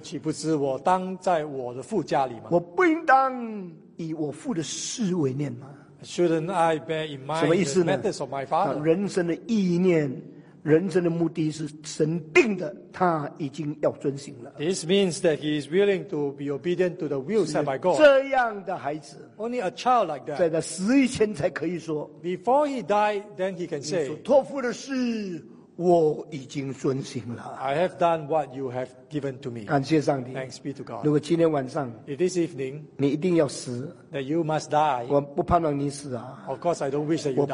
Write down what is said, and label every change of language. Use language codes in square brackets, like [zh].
[zh] 岂不知我当在我的父家里吗？我不应当以我父的事为念吗 [en] ？Shouldn't I bear in mind the matters of my father? [zh] 人生的意念。人生的目的是神定的，他已经要遵行了。 [en] This means that he is willing to be obedient to the will set by God. [zh] 这样的孩子 [en] ，Only a child like that， [zh] 在他死以前才可以说 [en] ，Before he died, then he can say， [zh] 托付的事我已经遵行了。 [en] I have done what you have given to me. [zh] 感谢上帝。 [en] Thanks be to God. [zh] 如果今天晚上 [en] ，If this evening， [zh] 你一定要死 [en] ，That you must die。 [zh] 我不盼望你死啊。 [en] Of course, I don't wish that you die.